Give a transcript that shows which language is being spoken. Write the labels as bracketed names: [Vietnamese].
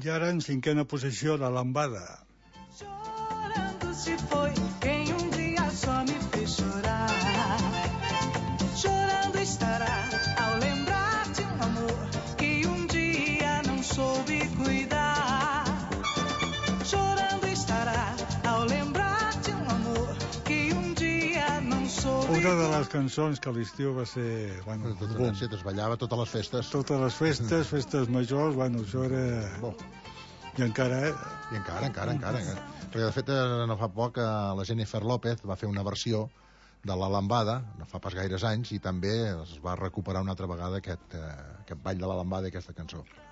[Catalan] En cinquena posició, la lambada. [Portuguese] Chorando se foi quem dia só me fez chorar. Chorando estará ao lembrar de amor que dia não soube cuidar. Chorando estará ao lembrar de amor que dia não soube cuidar. [Catalan] Una de les cançons que a l'estiu va ser... Es ballava totes les festes. Totes les festes, festes majors, bueno, això era... I encara, eh? I encara, encara, encara. Perquè, de fet, no fa poc, la Jennifer López va fer una versió de la lambada, no fa pas gaires anys, i també es va recuperar una altra vegada aquest ball de la lambada i aquesta cançó.